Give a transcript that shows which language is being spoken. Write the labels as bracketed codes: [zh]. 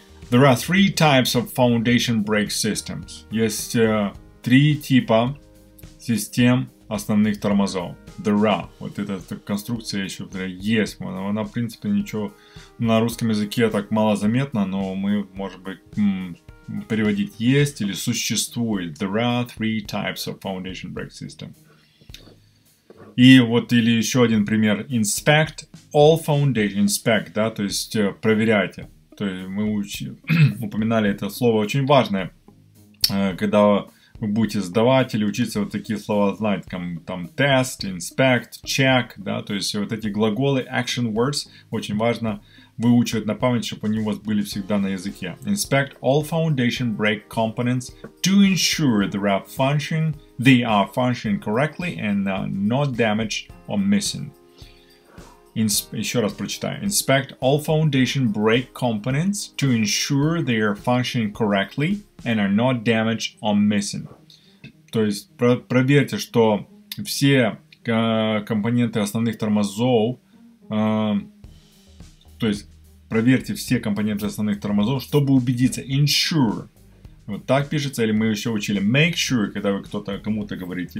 [en] There are three types of foundation brake systems. [ru] Есть три типа систем основных тормозов. [en] There are. [ru] Вот эта конструкция еще есть. Она, в принципе, ничего на русском языке так мало заметно, но мы, может быть, переводить есть или существует. [en] There are three types of foundation brake system. [ru] И вот, или еще один пример. [en] Inspect all foundation. Inspect, [ru] да, то есть проверяйте. То есть мы упоминали это слово, очень важное. Когда вы будете сдавать или учиться вот такие слова знать, там test, inspect, check, да, то есть вот эти глаголы, [en] action words, [ru] очень важно выучивать на память, чтобы они у вас были всегда на языке. [en] Inspect all foundation brake components to ensure they are functioning correctly and not damaged or missing. [ru] Еще раз прочитаю. [en] Inspect all foundation brake components to ensure they are functioning correctly and are not damaged or missing. [ru] То есть проверьте, что все компоненты основных тормозов, то есть проверьте все компоненты основных тормозов, чтобы убедиться. [en] Ensure. [ru] Вот так пишется, или мы еще учили. [en] Make sure, [ru] когда вы кто-то кому-то говорите.